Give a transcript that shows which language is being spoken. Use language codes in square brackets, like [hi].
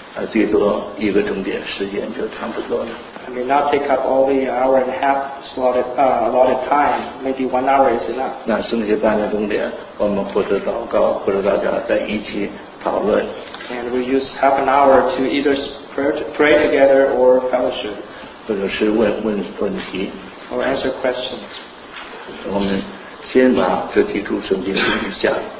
[zh] 最多一个钟点时间就差不多了。 [en] I may not take up all the hour and a half slotted allotted time. Maybe 1 hour is enough. [zh] 那剩下半个钟点，我们或者祷告，或者大家在一起讨论。 [en] And we use half an hour to either pray together or fellowship. [zh] 或者是问问题。 [en] Or answer questions. [zh] 我们先把这几处圣经读一下。